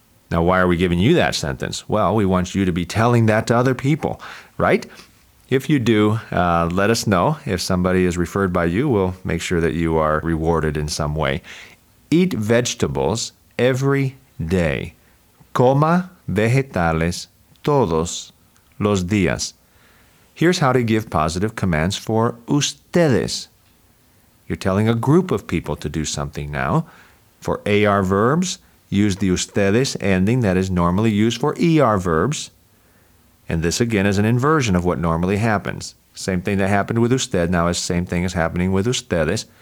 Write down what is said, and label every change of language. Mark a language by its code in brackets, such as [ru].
[en] Now, why are we giving you that sentence? Well, we want you to be telling that to other people, right? If you do, let us know. If somebody is referred by you, we'll make sure that you are rewarded in some way. Eat vegetables every day. [es] Coma vegetales todos los días. [en] Here's how to give positive commands for ustedes. You're telling a group of people to do something now. For AR verbs, use the ustedes ending that is normally used for ER verbs. And this again is an inversion of what normally happens. Same thing that happened with usted now is same thing as happening with ustedes.